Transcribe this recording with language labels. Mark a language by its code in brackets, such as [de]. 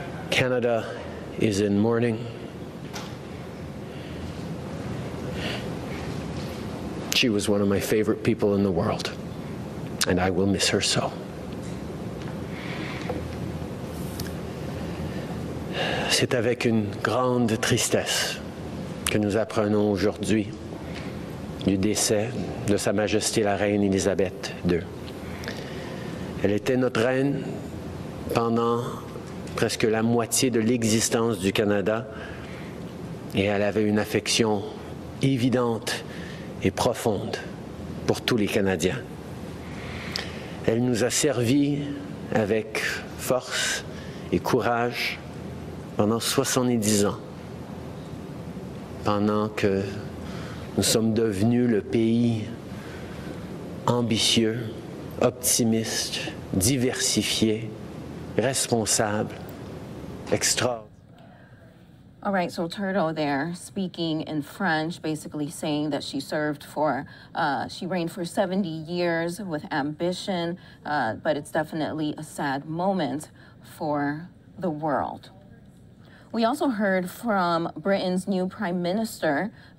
[en] Canada is in mourning. She was one of my favorite people in the world, and I will miss her so. [fr] C'est avec une grande tristesse que nous apprenons aujourd'hui du décès de Sa Majesté la Reine Élisabeth II. Elle était notre reine pendant presque la moitié de l'existence du Canada et elle avait une affection évidente et profonde pour tous les Canadiens. Elle nous a servi avec force et courage pendant 70 ans, pendant que nous sommes devenus le pays ambitieux, optimiste, diversifié, responsable, extraordinaire. [en] All right, so Turtle there speaking in French, basically saying that she served for, she reigned for 70 years with ambition, but it's definitely a sad moment for the world. We also heard from Britain's new prime minister.